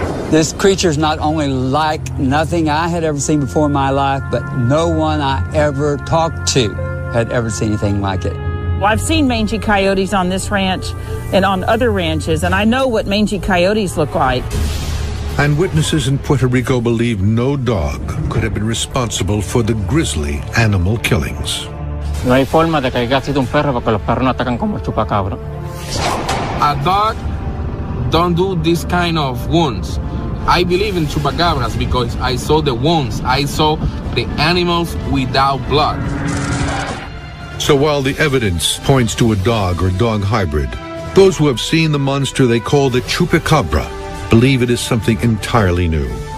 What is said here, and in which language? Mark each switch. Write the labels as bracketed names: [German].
[English] This creature is not only like nothing I had ever seen before in my life, but no one I ever talked to had ever seen anything like it. Well, I've seen mangy coyotes on this ranch and on other ranches, and I know what mangy coyotes look like. And witnesses in Puerto Rico believe no dog could have been responsible for the grisly animal killings. [Spanish] No hay forma de que haya sido un perro porque los perros no atacan como chupacabra. [English] A dog don't do this kind of wounds. I believe in chupacabras because I saw the wounds. I saw the animals without blood. So while the evidence points to a dog or dog hybrid, those who have seen the monster they call the chupacabra believe it is something entirely new.